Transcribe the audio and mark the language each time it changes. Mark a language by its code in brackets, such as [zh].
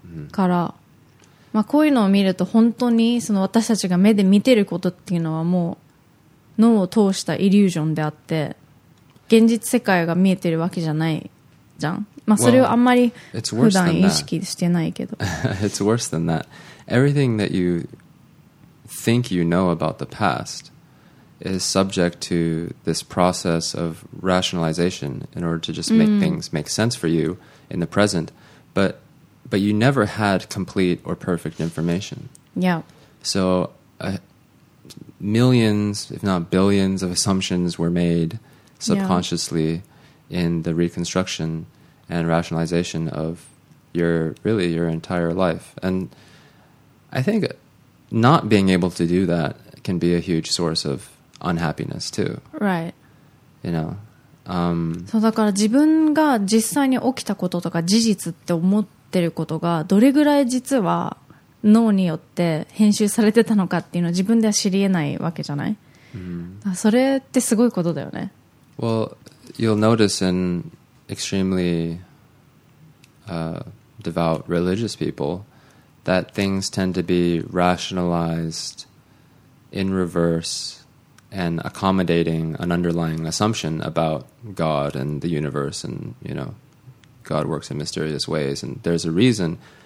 [ja] から、まあ、こういうのを見ると本当にその私たちが目で見てることっていうのはもう脳を通したイリュージョンであって、現実世界が見えてるわけじゃないじゃん。まあ、それをあんまり普段意識してないけど。 [en] It's worse than that. Everything that you think you know about the past is subject to this process of rationalization in order to just make things make sense for you in the present. But you never had complete or perfect information. Yeah. So millions, if not billions, of assumptions were made subconsciously in the reconstruction and rationalization of your entire life. And I think not being able to do that can be a huge source of unhappiness too. Right. You know. [ja] そうだから自分が実際に起きたこととか事実って思ってることがどれぐらい実は脳によって編集されてたのかっていうのを自分では知り得ないわけじゃない。それってすごいことだよね。 [en] Well, you'll notice in extremely devout religious people that things tend to be rationalized in reverse and accommodating an underlying assumption about God and the universe, and you know, God works in mysterious ways and there's a reason,